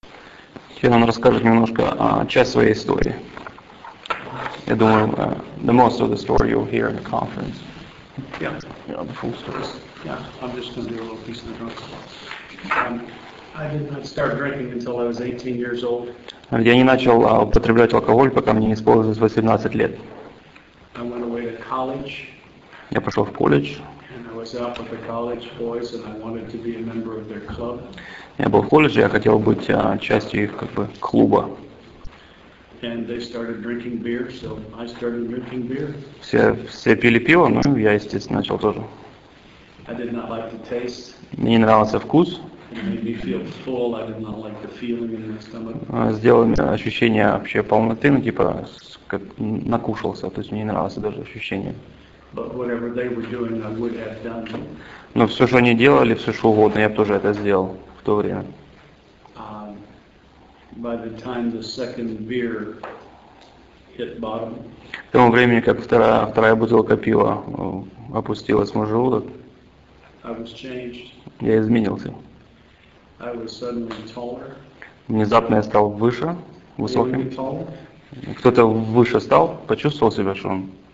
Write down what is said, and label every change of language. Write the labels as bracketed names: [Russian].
[Russian] Сейчас он расскажет немножко часть своей истории. Я думаю, [English] the most of the story you'll hear in the conference. Yeah. Yeah, the full story. Yeah, I'm just going to do a little piece of the drunk. I did not start drinking until I was 18 years old. [Russian] Я не начал употреблять алкоголь, пока мне не исполнилось 18 лет. [English] I went away to college. [Russian] Я пошел в колледж. [English] And I was out with the college boys, and I wanted to be a member of their club. [Russian] Я был в колледже, я хотел быть частью их как бы клуба. [English] And they started drinking beer, so I started drinking beer. [Russian] Все пили пиво, ну я, естественно, начал тоже. [English] I did not like the taste. [Russian] Мне не нравился вкус. [English] It made me feel full. I did not like the feeling in my stomach. [Russian] Сделал ощущение вообще полноты, ну типа как накушался, то есть мне не нравилось даже ощущение. [English] But whatever they were doing, I would have done. [Russian] Но все, что они делали, все что угодно, я бы тоже это сделал. В то время. [English] By the time the second beer hit bottom, [Russian] к тому времени, как вторая бутылка пива опустилась в мой желудок, [English] I was changed. [Russian] Я изменился. [English] I was suddenly taller. [Russian] Внезапно я стал выше, высоким. Кто-то выше стал, почувствовал себя, что он...